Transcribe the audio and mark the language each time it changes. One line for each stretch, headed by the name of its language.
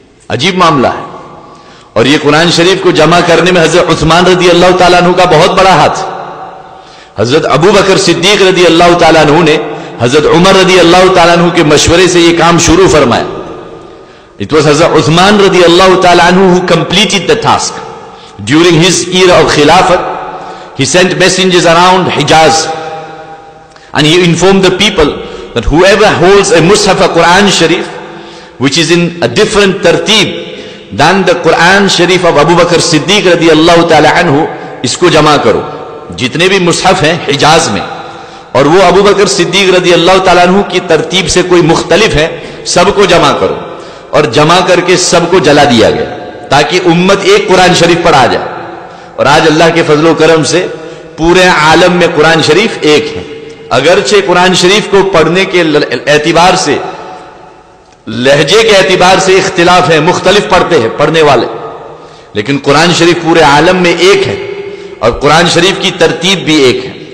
Urdu: عجیب معاملہ ہے, اور یہ قرآن شریف کو جمع کرنے میں حضرت عثمان رضی اللہ تعالیٰ عنہ کا بہت بڑا ہاتھ. حضرت ابو بکر صدیق رضی اللہ تعالیٰ عنہ نے حضرت عمر رضی اللہ تعالیٰ عنہ کے مشورے سے یہ کام شروع فرمایا.
English: It was حضرت Usman رضی اللہ تعالیٰ عنہ who completed the task. During his era of خلافت he sent messengers around Hijaz and he informed the people that whoever holds a mushaf, a Quran Sharif, which is in a different tartib than the Quran Sharif of Abu Bakr Siddiq رضی اللہ تعالیٰ عنہ,
Urdu: اس کو جمع کرو, جتنے بھی مصحف ہیں حجاز میں, اور وہ ابو بکر صدیق رضی اللہ تعالیٰ عنہ کی ترتیب سے کوئی مختلف ہے, سب کو جمع کرو. اور جمع کر کے سب کو جلا دیا گیا تاکہ امت ایک قرآن شریف پر آ جائے, اور آج اللہ کے فضل و کرم سے پورے عالم میں قرآن شریف ایک ہے. اگرچہ قرآن شریف کو پڑھنے کے اعتبار سے, لہجے کے اعتبار سے اختلاف ہے, مختلف پڑھتے ہیں پڑھنے والے, لیکن قرآن شریف پورے عالم میں ایک ہے, اور قرآن شریف کی ترتیب بھی ایک ہے.